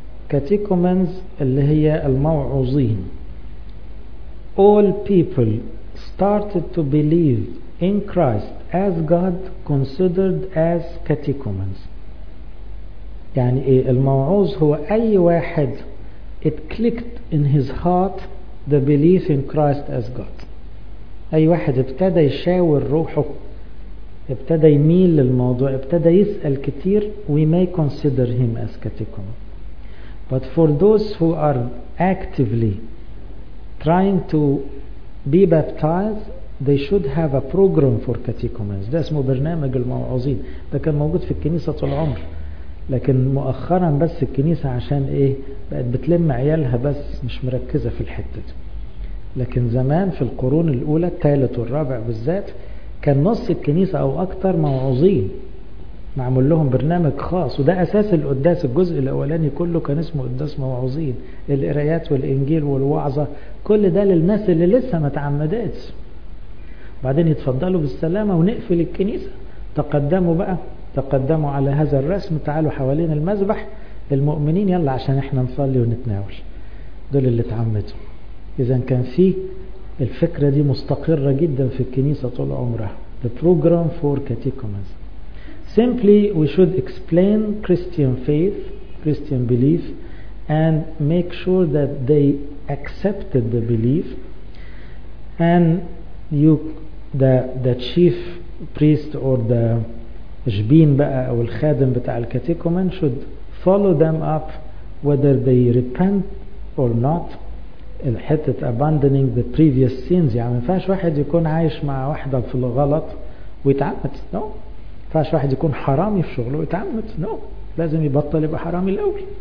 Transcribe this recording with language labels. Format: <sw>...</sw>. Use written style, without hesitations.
<ar>Catechumens اللي هي الموعوظين.</ar> <en>All people started to believe in Christ as God considered as catechumens.</en> <ar>يعني ايه الموعوظ؟ هو اي واحد</ar> <en>it clicked in his heart the belief in Christ as God.</en> <ar>اي واحد ابتدى يشاور روحه، ابتدى يميل للموضوع، ابتدى يسأل كتير،</ar> <en>we may consider him as catechumen. But for those who are actively trying to be baptized they should have a program for catechumens.</en> <ar>ده اسمه برنامج الموعوظين. ده كان موجود في الكنيسة طول العمر، لكن مؤخرا بس الكنيسة عشان ايه بقت بتلم عيالها بس، مش مركزة في الحتة دي. لكن زمان في القرون الاولى الثالث والرابع بالذات كان نص الكنيسة او اكتر موعوظين، معمول لهم برنامج خاص، وده اساس القداس. الجزء الاولاني كله كان اسمه قداس موعوظين، القرايات والانجيل والوعظة، كل ده للناس اللي لسه ما تعمدتش. بعدين يتفضلوا بالسلامة ونقفل الكنيسة. تقدموا بقى، تقدموا على هذا الرسم، تعالوا حوالين المذبح المؤمنين يلا عشان احنا نصلي ونتناول. دول اللي اتعمدوا. اذا كان في الفكرة دي مستقرة جدا في الكنيسة طول عمرها.</ar> <en>The program for catechumens. Simply we should explain Christian faith, Christian belief, and make sure that they accepted the belief. And you, the chief priest or the</en> <ar>جبين بقى أو الخادم بتاع</ar> <en>الكاتيكومن should follow them up whether they repent or not.</en> <ar>الحتة</ar> <en>abandoning the previous sins،</en> <ar>يعني مفيش واحد يكون عايش مع واحدة في الغلط ويتعمد.</ar> <en>No.</en> <ar>مفيش واحد يكون حرامي في شغله ويتعمد.</ar> <en>No.</en> <ar>لازم يبطل يبقى حرامي الأول.</ar>